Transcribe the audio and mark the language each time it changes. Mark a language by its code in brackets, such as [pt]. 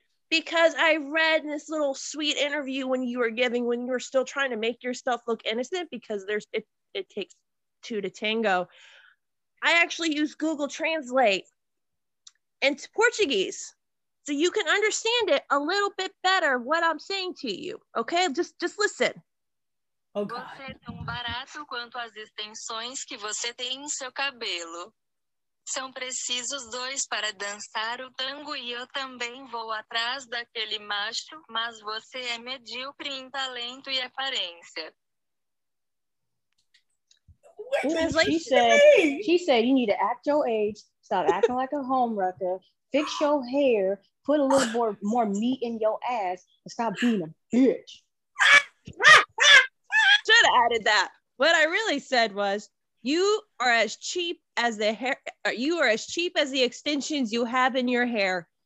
[en] Because I read this little sweet interview when you were giving, when you were still trying to make yourself look innocent, because it takes two to tango. I actually use Google Translate into Portuguese, so you can understand it a little bit better, what I'm saying to you. Okay, just listen. [pt] Você é tão barato quanto as extensões que você tem em seu cabelo. São precisos dois para dançar o tango e eu também vou atrás daquele macho, mas você é medíocre em talento e aparência. [en] She said, you need to act your age, stop acting like a homewrecker, fix your hair, put a little more meat in your ass, and stop being a bitch. Should have added that. What I really said was, you are as cheap as the extensions you have in your hair.